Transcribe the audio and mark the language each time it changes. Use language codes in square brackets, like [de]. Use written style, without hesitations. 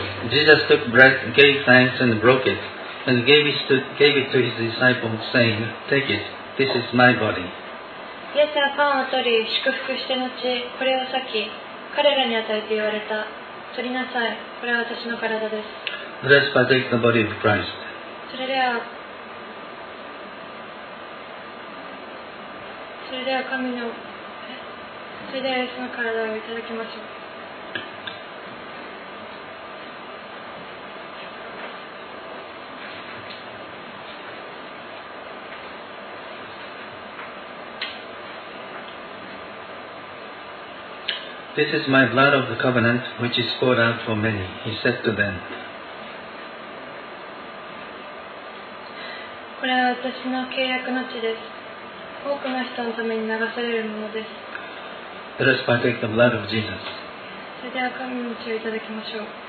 [en] Jesus took bread, gave thanks, and broke it, and gave it to his disciples, saying, Take it, this is my body. [ja] イエスはパンを取り、祝福して後、これを裂き、彼らに与えて言われた。取りなさい、これは私の体です。 [en] Let's partake the body of Christ. [ja] それでは神の、それではイエスの体をいただきましょう。 [en] This is my blood of the covenant, which is poured out for many, he said to them. [ja] これは私の契約の血です。多くの人のために流されるものです。 [en] Let us partake the blood of Jesus. [ja] それでは神の血をいただきましょう。